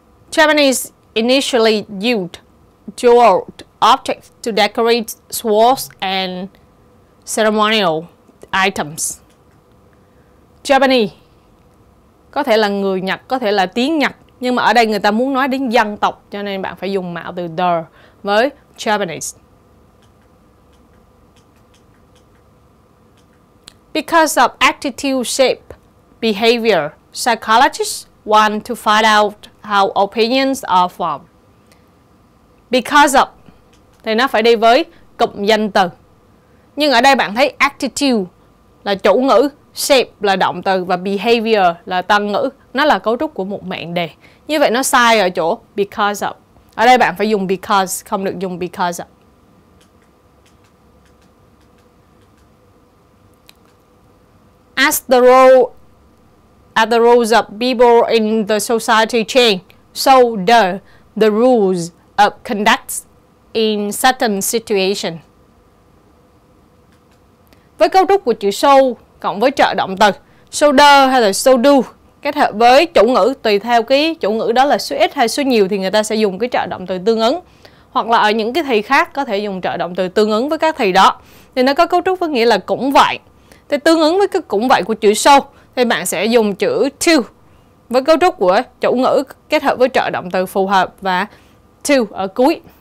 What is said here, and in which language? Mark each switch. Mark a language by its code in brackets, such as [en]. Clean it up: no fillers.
[en] Japanese initially used jeweled objects to decorate swords and ceremonial items. [vi] Japanese có thể là người Nhật, có thể là tiếng Nhật, nhưng mà ở đây người ta muốn nói đến dân tộc, cho nên bạn phải dùng mạo từ the với Japanese. [en] Because of attitude shape behavior, psychologists want to find out how opinions are formed. [vi] Because of thì nó phải đi với cụm danh từ. Nhưng ở đây bạn thấy attitude là chủ ngữ, shape là động từ và behavior là tân ngữ. Nó là cấu trúc của một mệnh đề. Như vậy nó sai ở chỗ because of. Ở đây bạn phải dùng because, không được dùng because of. [en] As the role at the roles of people in the society change, so the rules of conduct in certain situation. [vi] Với cấu trúc của chữ so cộng với trợ động từ so do hay là so do kết hợp với chủ ngữ, tùy theo cái chủ ngữ đó là số ít hay số nhiều thì người ta sẽ dùng cái trợ động từ tương ứng, hoặc là ở những cái thì khác có thể dùng trợ động từ tương ứng với các thì đó. Thì nó có cấu trúc với nghĩa là cũng vậy. Thì tương ứng với cái cũng vậy của chữ so thì bạn sẽ dùng chữ to với cấu trúc của chủ ngữ kết hợp với trợ động từ phù hợp và to ở cuối.